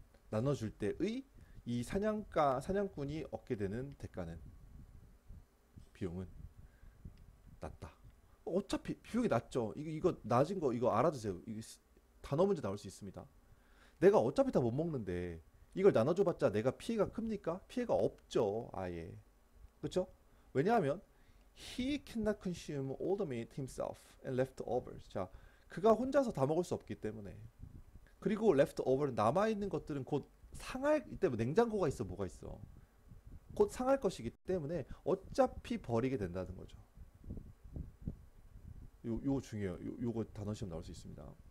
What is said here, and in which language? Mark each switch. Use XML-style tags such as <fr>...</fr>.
<ko>나눠줄 때의 이 사냥꾼이 얻게 되는 대가는 비용은 낮다. 어차피 비용이 낮죠. 이거 낮은 거 이거 알아두세요. 이거 단어 문제 나올 수 있습니다. 내가 어차피 다못 먹는데 이걸 나눠줘봤자 내가 피해가 큽니까? 피해가 없죠. 아예. 그렇죠?</ko> <en>왜냐하면 he cannot consume all the meat himself and leftovers.</en> <ko>자, 그가 혼자서 다 먹을 수 없기 때문에. 그리고 leftover는 남아있는 것들은 곧 상할 때문에 냉장고가 있어 뭐가 있어. 곧 상할 것이기 때문에 어차피 버리게 된다는 거죠. 요 중요해요. 요거 단어 시험 나올 수 있습니다.</ko>